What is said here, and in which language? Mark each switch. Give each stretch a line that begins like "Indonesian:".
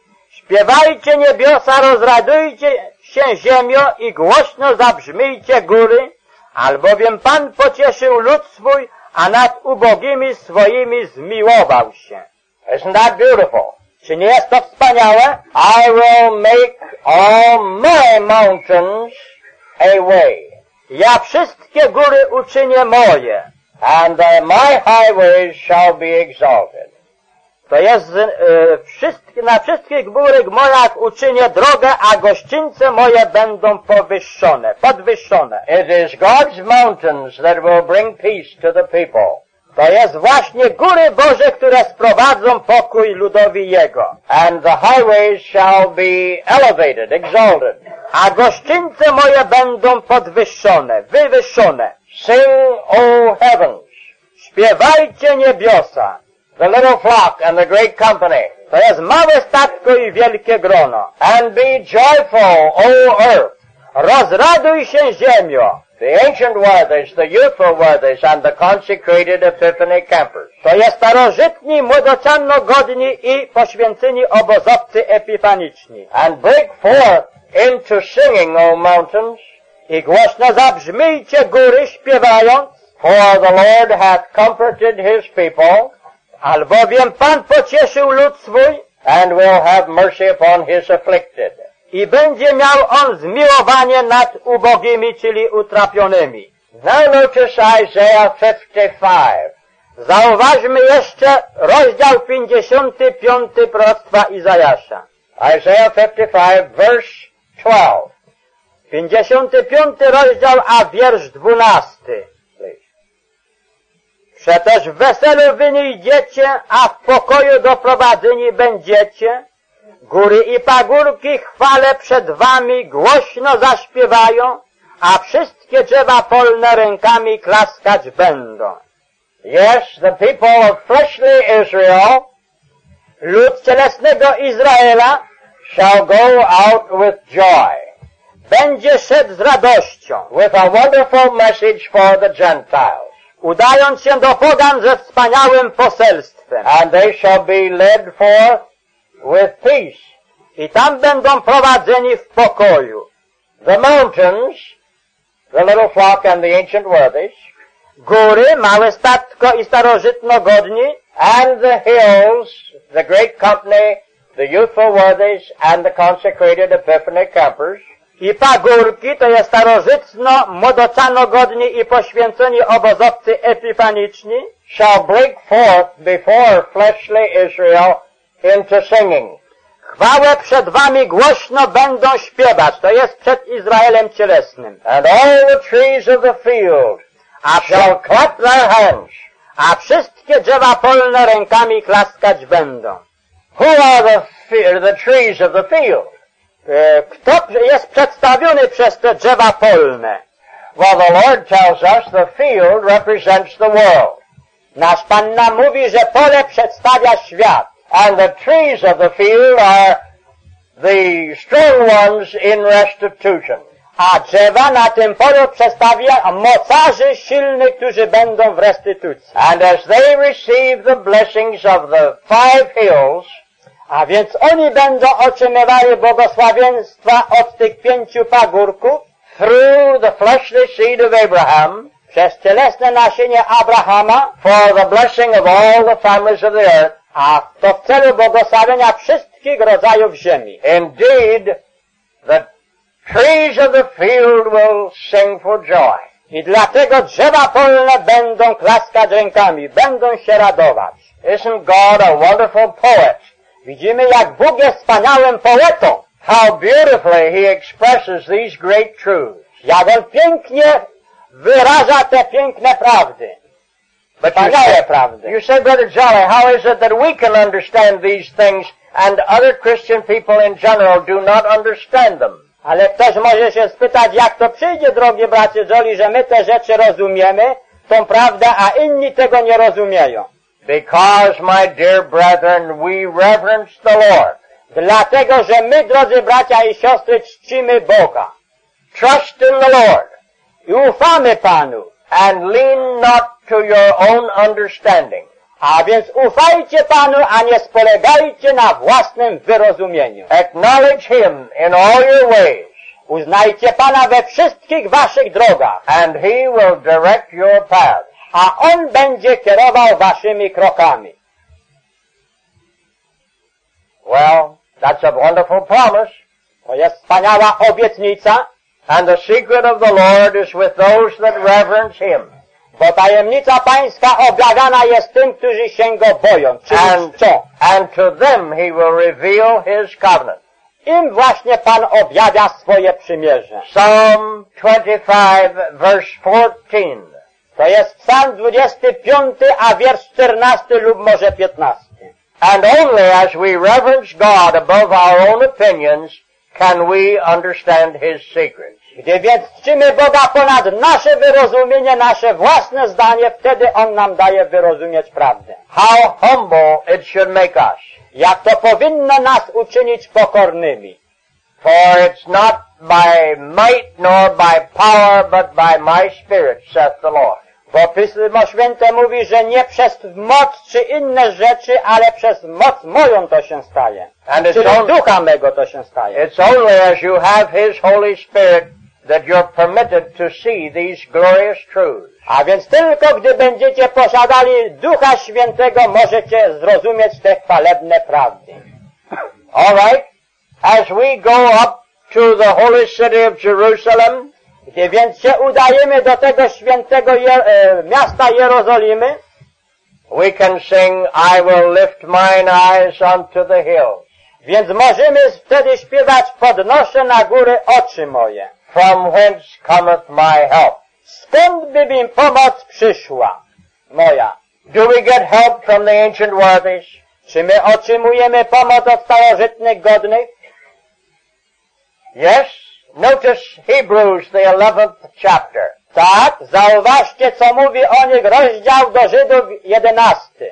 Polish: Śpiewajcie niebiosa, rozradujcie się ziemio i głośno zabrzmijcie góry, albowiem Pan pocieszył lud swój, a nad ubogimi swoimi zmiłował się.
English: Isn't that beautiful?
Polish: Czy nie jest to wspaniałe?
English: I will make all my mountains a way.
Polish: Ja wszystkie góry uczynię moje.
English: And my highways shall be exalted.
Polish: To jest, na wszystkich górach moich uczynię drogę, a gościńce moje będą powyższone, podwyższone.
English: It is God's mountains that will bring peace to the people.
Polish: To jest właśnie góry Boże, które sprowadzą pokój ludowi Jego.
English: And the highways shall be elevated, exalted.
Polish: A gościńce moje będą podwyższone, wywyższone.
English: Sing, O heavens.
Polish: Śpiewajcie niebiosa.
English: The little flock and the great company.
Polish: To jest małe statko i wielkie grono.
English: And be joyful, O earth.
Polish: Rozraduj się ziemio.
English: The ancient worthies, the youthful worthies, and the consecrated epiphany campers.
Polish: To jest starożytni, młodociano godni i poświęceni obozowcy epifaniczni.
English: And break forth into singing, O mountains.
Polish: I głośno zabrzmijcie góry śpiewając.
English: For the Lord hath comforted his people.
Polish: Albowiem Pan pocieszył lud swój.
English: And will have mercy upon his afflicted.
Polish: I będzie miał on zmiłowanie nad ubogimi, czyli utrapionymi.
English: Now notice Isaiah 55.
Polish: Zauważmy jeszcze rozdział 55 proroctwa Izajasza.
English: Isaiah 55, verse 12.
Polish: 55 rozdział, a wiersz 12. Przetoż w weselu wy nie idziecie, a w pokoju doprowadzeni będziecie. Góry i pagórki chwale przed wami głośno zaśpiewają, a wszystkie drzewa polne rękami klaskać będą.
English: Yes, the people of fleshly Israel,
Polish: lud cielesnego Izraela,
English: shall go out with joy.
Polish: Będzie szedł z radością.
English: With a wonderful message for the Gentiles.
Polish: Udając się do pogan ze wspaniałym poselstwem.
English: And they shall be led forth with peace.
Polish: I tam będą prowadzeni w pokoju.
English: The mountains, the little flock and the ancient worthies,
Polish: góry, małe statko i starożytnogodni,
English: and the hills, the great company, the youthful worthies and the consecrated epiphany campers,
Polish: i pagórki, to jest starożytno, młodocianogodni i poświęceni obozowcy epifaniczni,
English: shall break forth before fleshly Israel into singing.
Polish: Chwałę przed wami głośno będą śpiewać. To jest przed Izraelem cielesnym.
English: And all the trees of the field shall clap their hands.
Polish: A wszystkie drzewa polne rękami klaskać będą.
English: Who are the trees of the field?
Polish: Kto jest przedstawiony przez te drzewa polne?
English: Well, the Lord tells us the field represents the world.
Polish: Nasz Pan nam mówi, że pole przedstawia świat.
English: And the trees of the field are the strong ones in restitution.
Polish: A drzewa na tym polu przedstawia mocarzy silnych, którzy będą w restytucji.
English: And as they receive the blessings of the five hills,
Polish: A więc oni będą otrzymywali błogosławieństwa od tych pięciu pagórków.
English: Through the fleshly seed of Abraham.
Polish: Przez cielesne nasienie Abrahama.
English: For the blessing of all the families of the earth.
Polish: A to w celu błogosławienia wszystkich rodzajów ziemi.
English: Indeed, the trees of the field will sing for joy.
Polish: I dlatego drzewa polne będą klaskać rękami, będą się radować.
English: Isn't God a wonderful poet?
Polish: Widzimy, jak Bóg jest wspaniałym poetą.
English: How beautifully he expresses these great truths.
Polish: Jak on pięknie wyraża te piękne prawdy.
English: But you say, Brother Jolly, how is it that we can understand these things and other Christian people in general do not understand them?
Polish: Ale ktoś może się spytać, jak to przyjdzie, drogi bracie Jolly, że my te rzeczy rozumiemy, tą prawdę, a inni tego nie rozumieją.
English: Because, my dear brethren, we reverence the Lord.
Polish: Dlatego, że my, drodzy bracia i siostry, czcimy Boga.
English: Trust in the Lord.
Polish: I ufamy Panu.
English: And lean not to your own understanding.
Polish: A więc ufajcie Panu, a nie spolegajcie na własnym wyrozumieniu.
English: Acknowledge Him in all your ways.
Polish: Uznajcie Pana we wszystkich waszych drogach.
English: And He will direct your paths.
Polish: A On będzie kierował waszymi krokami.
English: Well, that's a wonderful promise.
Polish: To jest wspaniała obietnica.
English: And the secret of the Lord is with those that reverence Him.
Polish: Bo tajemnica Pańska objawiana jest tym, którzy się Go boją, czyli czczą.
English: And to them He will reveal His covenant.
Polish: Im właśnie Pan objawia swoje przymierze.
English: Psalm 25, verse 14.
Polish: To jest Psalm 25, a wiersz 14 lub może 15.
English: And only as we reverence God above our own opinions can we understand His secret.
Polish: Gdy więc czcimy Boga ponad nasze wyrozumienie, nasze własne zdanie, wtedy On nam daje wyrozumieć prawdę.
English: How humble it should make us.
Polish: Jak to powinno nas uczynić pokornymi.
English: For it's not by might nor by power, but by my spirit, saith the Lord.
Polish: Bo Pismo Święte mówi, że nie przez moc czy inne rzeczy, ale przez moc moją to się staje.
English: And
Polish: czyli Ducha mego to się staje.
English: It's only as you have His Holy Spirit that you're permitted to see these glorious truths.
Polish: A więc tylko gdy będziecie posiadali Ducha Świętego, możecie zrozumieć te chwalebne prawdy.
English: All right. As we go up to the holy city of Jerusalem,
Polish: gdy więc się udajemy do tego świętego miasta Jerozolimy,
English: we can sing, I will lift mine eyes unto the hills.
Polish: Więc możemy wtedy śpiewać, podnoszę na góry oczy moje.
English: From whence cometh my help?
Polish: Skąd by mi pomoc przyszła moja?
English: Do we get help from the ancient worthies?
Polish: Czy my otrzymujemy pomoc od starożytnych godnych?
English: Yes. Notice Hebrews, the 11th chapter.
Polish: Tak, zauważcie, co mówi o nich rozdział do Żydów 11.